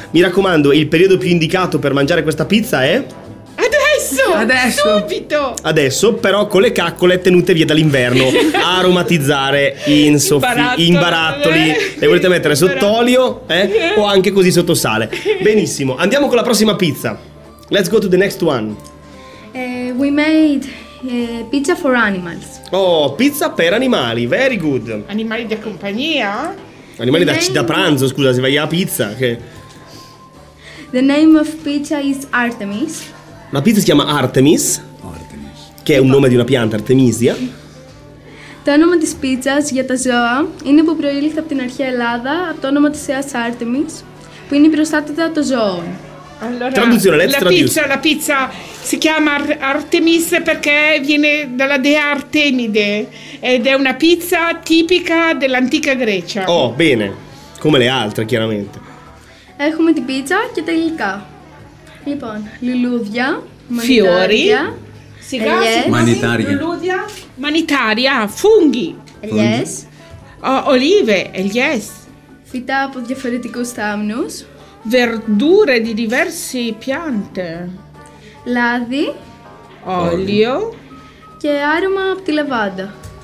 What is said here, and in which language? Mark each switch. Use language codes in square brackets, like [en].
[it] Mi raccomando, il periodo più indicato per mangiare questa pizza è adesso, subito. Adesso, però, con le caccole tenute via dall'inverno, aromatizzare in barattoli. Le volete mettere sotto olio, o anche così sotto sale. Benissimo, andiamo con la prossima pizza. [en] Let's go to the next one. We made pizza for animals. [it] Oh, pizza per animali, [en] very good. [it] Animali da compagnia? Animali da pranzo, scusa, se vai a pizza. Che... [en] The name of pizza is Artemis. [it] La pizza si chiama Artemis. Artemis. che è un nome di una pianta, Artemisia. [el] Το όνομα της πίτσας για τα ζώα είναι που προήλθε από την αρχαία Ελλάδα από το όνομα της θεάς Άρτεμις, που είναι η προστάτητα των ζώων. [it] Allora, la pizza si chiama Artemis perché viene dalla dea Artemide ed è una pizza tipica dell'antica Grecia. Oh, bene, come le altre chiaramente. [el] Έχουμε την πίτσα και τα υλικά. Λοιπόν, λουλούδια, [it] φιόρι, [el] μανιτάρια, λουλούδια, μανιτάρια, φούγγι, ελιές, ολίβε, ελιές, φυτά από διαφορετικούς θάμνους, [it] verdure di diverse piante, [el] λάδι, [it] olio [el] και άρωμα από τη λαβάντα,